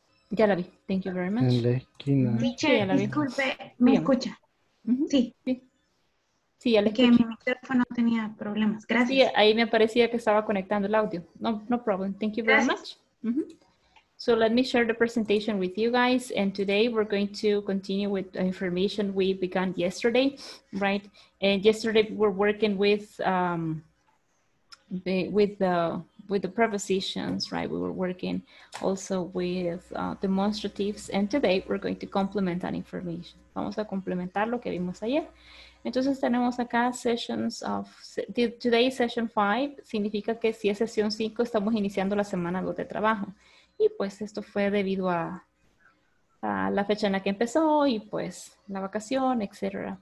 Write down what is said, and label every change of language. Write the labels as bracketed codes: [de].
[es] Ya la vi. [en] Thank you very much. [es] En la esquina. Teacher, sí, disculpe, ¿me escucha? Uh-huh. Sí. Sí, ya la escuché. Que mi micrófono tenía problemas. Gracias. Sí, ahí me parecía que estaba conectando el audio. [en] No, no problem. Thank you very much. Uh-huh. So let me share the presentation with you guys. And today we're going to continue with the information we began yesterday, right? And yesterday we're working with the prepositions, right? We were working also with demonstratives. And today we're going to complement that information. [es] Vamos a complementar lo que vimos ayer. Entonces tenemos acá sessions of, today session 5 significa que si es sesión 5 estamos iniciando la semana 2 de trabajo. Y pues esto fue debido a la fecha en la que empezó y pues la vacación, etc.